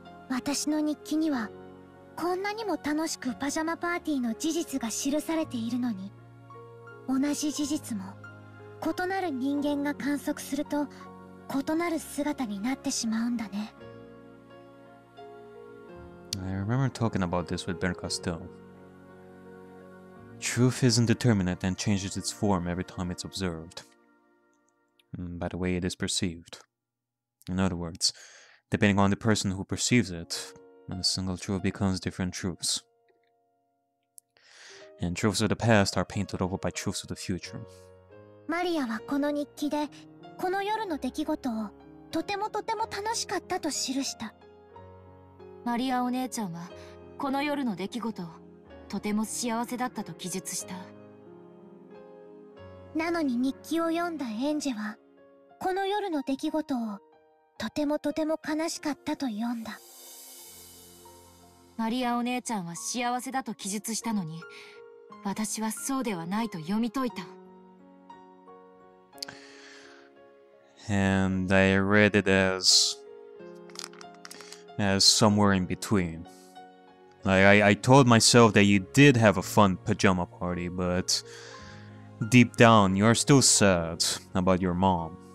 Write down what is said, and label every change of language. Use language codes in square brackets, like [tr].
[ja] 私の日記にはこんなにも楽しくパジャマパーティーの事実が記されているのに、同じ事実も異なる人間が観測すると異なる姿になってしまうんだね。 [en] I remember talking about this with Berka still. Truth isn't determinate and changes its form every time it's observed, by the way it is perceived. In other words, depending on the person who perceives it,and a single truth becomes different truths. And truths of the past are painted over by truths of the future. [ja] Maria はこの日記でこの夜の出来事をとてもとても楽しかったと記した。マリアお姉ちゃんはこの夜の出来事をとても幸せだったと記述した。なのに日記を読んだエンジェはこの夜の出来事をとてもとても悲しかったと読んだ。マリアお姉ちゃんは幸せだと記述したのに、私はそうではないと読み解いた。 [en] And I read it as somewhere in between. Like, I told myself that you did have a fun pajama party, but deep down, you are still sad about your mom.